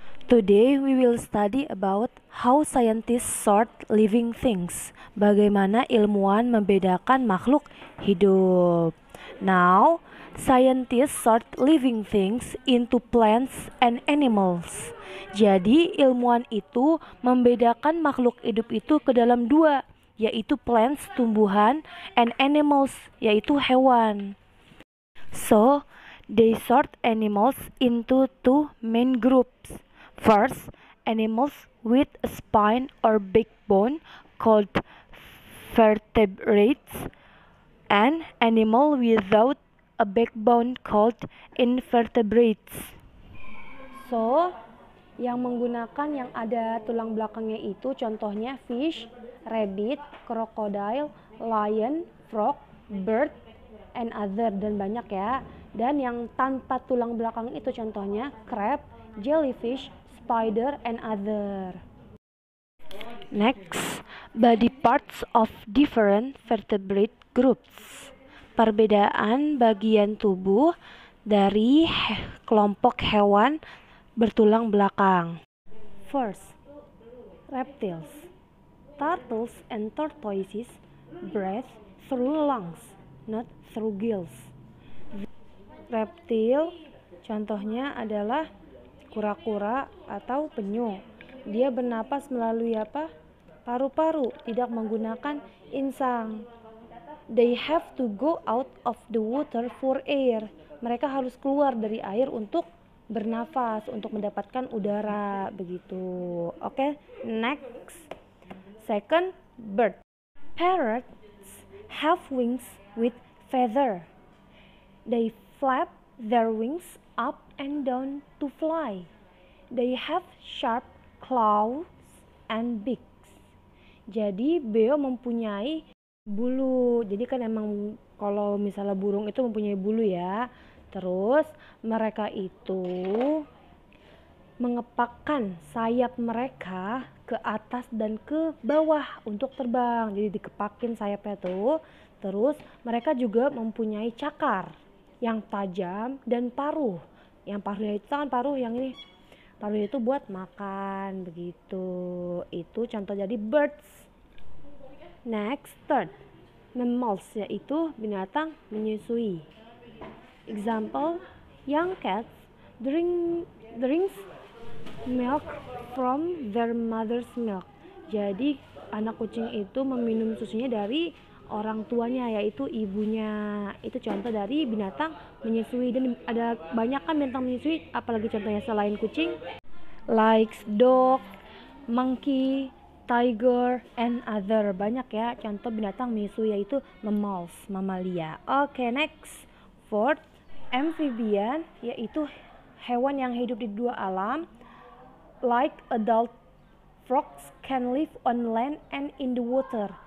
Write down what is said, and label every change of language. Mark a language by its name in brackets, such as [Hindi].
[English] Today we will study about how scientists sort living things. [Indonesian] Bagaimana ilmuwan membedakan makhluk hidup. [English] Now, scientists sort living things into plants and animals. [Indonesian] Jadi, ilmuwan itu membedakan makhluk hidup itu ke dalam dua, yaitu plants, tumbuhan, [English] and animals, [Indonesian] yaitu hewan. [English] So, they sort animals into two main groups. First, animals with a spine or backbone called vertebrates, and animal without a backbone called invertebrates. [Indonesian] So, yang menggunakan yang ada tulang belakangnya itu contohnya [English] fish, rabbit, crocodile, lion, frog, bird, and other, [Indonesian] dan banyak ya. Dan yang tanpa tulang belakang itu contohnya [English] crab, jellyfish, spider, and other. Next, body parts of different vertebrate groups. [Indonesian] Perbedaan bagian tubuh dari kelompok hewan bertulang belakang. [English] First, reptiles. Turtles and tortoises breathe through lungs, not through gills. [Indonesian] Reptil, contohnya adalah kura-kura atau penyu. Dia bernapas melalui apa? Paru-paru, tidak menggunakan insang. [English] They have to go out of the water for air. [Indonesian] Mereka harus keluar dari air untuk bernafas, untuk mendapatkan udara, begitu. [English] Okay, next. Second, bird. Parrots have wings with feather. They flap their wings up and down to fly. They have sharp claws and beaks. [Indonesian] Jadi, beo mempunyai bulu. Jadi kan emang kalau misalnya burung itu mempunyai bulu ya. Terus mereka itu mengepakkan sayap mereka ke atas dan ke bawah untuk terbang. Jadi dikepakin sayapnya tuh. Terus mereka juga mempunyai cakar yang tajam dan paruh. Yang paruhnya itu kan paruh yang ini. Paruh itu buat makan begitu. Itu contoh jadi birds. [English] Next, third, mammals, [Indonesian] yaitu binatang menyusui. [English] Example, young cats drinks milk from their mother's milk. [Indonesian] Jadi, anak kucing itu meminum susunya dari orang tuanya, yaitu ibunya. Itu contoh dari binatang menyusui. Dan ada banyak kan binatang menyusui, apalagi contohnya selain kucing. [English] Like dog, monkey, tiger, and other. [Indonesian] Banyak ya contoh binatang menyusui, yaitu mammals, mamalia. [English] Okay, next. Fourth, amphibian, [Indonesian] yaitu hewan yang hidup di dua alam. [English] Like adult frogs can live on land and in the water.